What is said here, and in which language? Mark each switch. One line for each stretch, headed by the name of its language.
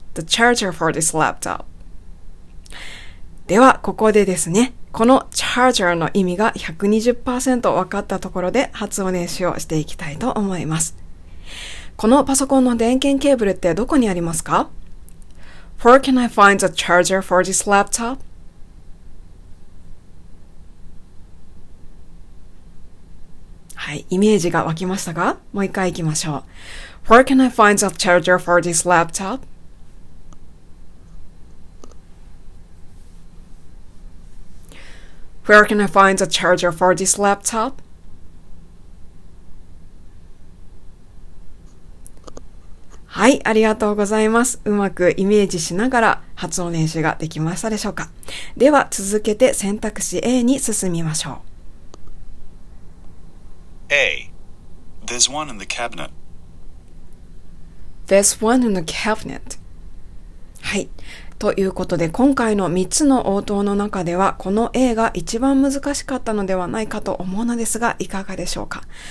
English: The charger for this laptop。
Japanese: では、ここでですね、このチャージャーの意味が 120% 分かったところで発音練習をしていきたいと思います。このパソコンの電源ケーブルってどこにありますか？
English: Where can I find the charger for this laptop?
Japanese: はい、イメージが湧きましたが、もう一回行きましょう。
English: Where can I find the charger for this laptop? Where can I find the charger for this laptop?
Japanese: はい、ありがとうございます。うまくイメージしながら発音練習ができましたでしょうか。では、続けて選択肢 A に進みましょう。
English: A. There's one in the cabinet. There's one in the cabinet.
Japanese: はい。ということで、今回の3つの応答の中では、この A が一番難しかったのではないかと思うのですが、いかがでしょうか。